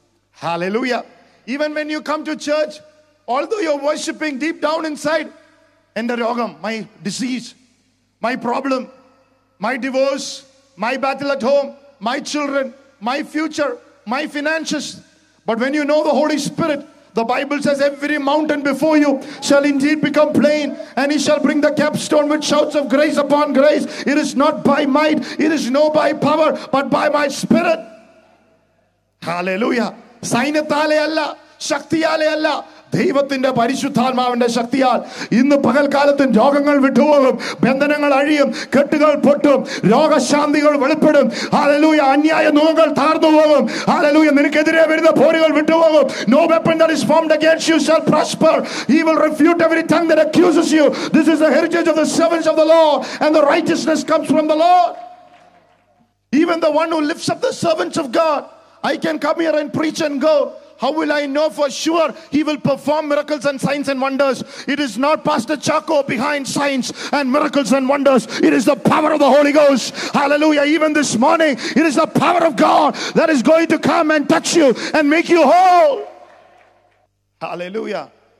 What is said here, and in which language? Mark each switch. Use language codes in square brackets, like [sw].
[en] Hallelujah. Even when you come to church, although you're worshiping deep down inside, endarogam, my disease, my problem, my divorce, my battle at home, my children, my future, my finances. But when you know the Holy Spirit, the Bible says every mountain before you shall indeed become plain, and he shall bring the capstone with shouts of grace upon grace. It is not by might, it is no by power, but by my Spirit. Hallelujah. [ml] Sainathale alla, shaktiyale alla, ദൈവത്തിന്റെ പരിശുദ്ധാത്മാവിന്റെ ശക്തിയാൽ ഇന്ന് പകൽക്കാലത്ത് രോഗങ്ങൾ വിട്ടുപോകും, ബന്ധനങ്ങൾ അഴിയും, കെട്ടുകൾ പൊട്ടും, രോഗശാന്തികൾ വെളിപ്പെടും. ഹല്ലേലൂയ. അന്യായ നോവുകൾ താർന്നു പോകും. ഹല്ലേലൂയ. നിനക്കെതിരെ വരുന്ന പോരുകൾ വിട്ടുപോകും. [en] No weapon that is formed against you shall prosper. He will refute every tongue that accuses you. This is the heritage of the servants of the Lord, and the righteousness comes from the Lord. Even the one who lifts up the servants of God. I can come here and preach and go. How will I know for sure he will perform miracles and signs and wonders? It is not Pastor Chaco behind signs and miracles and wonders. It is the power of the Holy Ghost. Hallelujah. Even this morning, it is the power of God that is going to come and touch you and make you whole. Hallelujah.